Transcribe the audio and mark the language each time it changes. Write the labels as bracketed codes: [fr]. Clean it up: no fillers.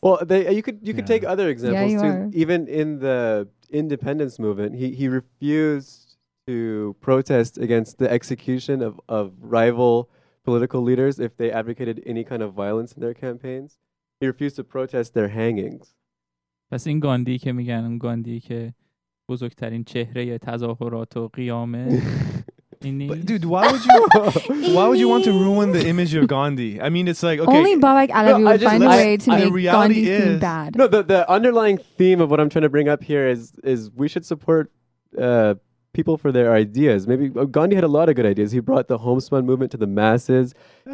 [en] Well, you could take other examples too. Even in the independence movement, he refused to protest against the execution of rival political leaders if they advocated any kind of violence in their campaigns. He refused to protest their hangings. [fa] پس این گاندی که میگن اون گاندی که بزرگترین چهره تظاهرات و قیامه [en] But dude, why would you want to ruin the image of Gandhi? I mean, it's like, okay. Only Babak Alavi would find a way to make Gandhi seem bad. No, the underlying theme of what I'm trying to bring up here is we should support people for their ideas. Maybe Gandhi had a lot of good ideas. He brought the homespun movement to the masses. Yeah.